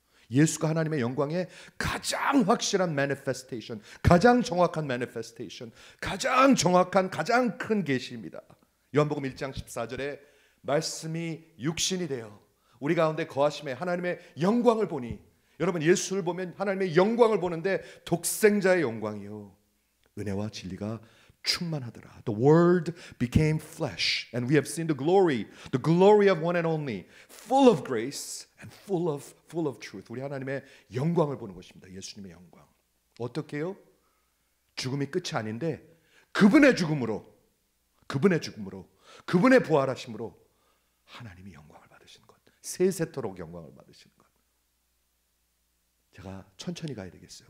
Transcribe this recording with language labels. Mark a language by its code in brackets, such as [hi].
[ko] 예수가 하나님의 영광의 가장 확실한 manifestation, 가장 정확한 manifestation, 가장 정확한 가장 큰 계시입니다. 요한복음 1장 14절에 말씀이 육신이 되어 우리 가운데 거하심에 하나님의 영광을 보니, 여러분 예수를 보면 하나님의 영광을 보는데 독생자의 영광이요, 은혜와 진리가 충만하더라. [en] The word became flesh and we have seen the glory of one and only, full of grace and full of truth. [ko] 우리 하나님의 영광을 보는 것입니다. 예수님의 영광. 어떻게요? 죽음이 끝이 아닌데 그분의 죽음으로 그분의 부활하심으로 하나님이 영광을 받으신 것. 세세토록 영광을 받으신 것. 제가 천천히 가야 되겠어요.